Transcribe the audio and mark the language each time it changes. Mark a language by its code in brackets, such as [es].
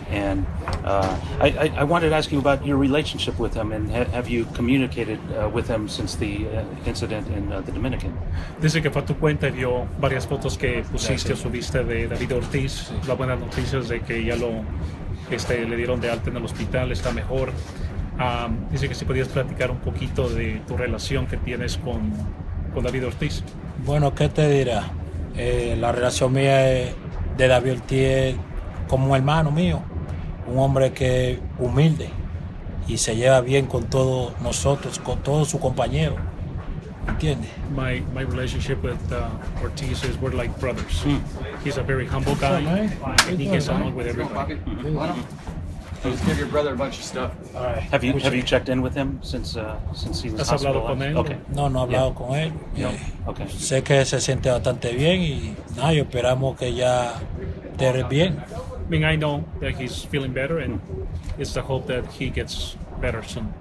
[en] And I wanted to ask you about your relationship with him, and have you communicated with him since the incident in the Dominican? [es] Dice que fue a tu cuenta y vio varias fotos que pusiste o subiste de David Ortiz. La buena noticia es de que ya lo le dieron de alta en el hospital, está mejor. Dice que si podías platicar un poquito de tu relación que tienes con David Ortiz. Bueno, ¿qué te dirá? La relación mía de David Ortiz como un hermano mío, un hombre que es humilde y se lleva bien con todos nosotros, con todos sus compañeros, ¿entiendes? [en] My relationship with Ortiz is we're like brothers. He's a very humble guy. Up, he gets along with everybody. Why don't you give your brother a bunch of stuff? All right. Have you checked in with him since he was hospitalized? [es] ¿Has hablado con él? [en] Okay. [es] No he hablado con él. [en] No. Okay. [es] Sé que se siente bastante bien y nada, y esperamos que ya esté bien. [en] I mean, I know that he's feeling better, and it's the hope that he gets better soon.